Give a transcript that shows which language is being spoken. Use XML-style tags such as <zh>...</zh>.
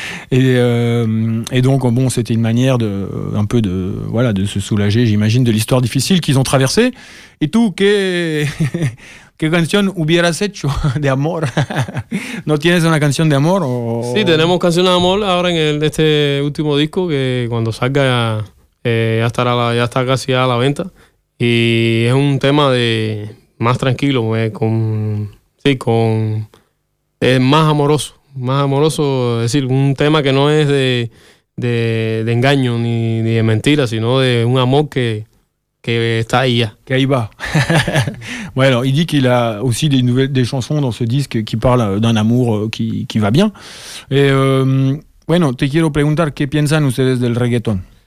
<fr>et donc, bon, c'était une manière de, un peu de, voilà, de se soulager, j'imagine, de l'histoire difficile qu'ils ont traversée. Et tout,</fr> <es>¿qué canción hubieras hecho de amor? ¿No tienes una canción de amor? O... Sí, tenemos canción de amor ahora en este último disco, que cuando salga ya está casi a la venta. Y es un tema de más tranquilo, con... Sí, con... Es más amoroso, es decir, un tema que no es de engaño ni de mentira, sino de un amor que está ahí ya. Que ahí va.</es> <fr>Bueno, il dit qu'il a aussi des chansons dans ce disque qui parlent d'un amour qui va bien.</fr> <es>Bueno, te quiero preguntar, ¿qué piensan ustedes del reggaetón?</es>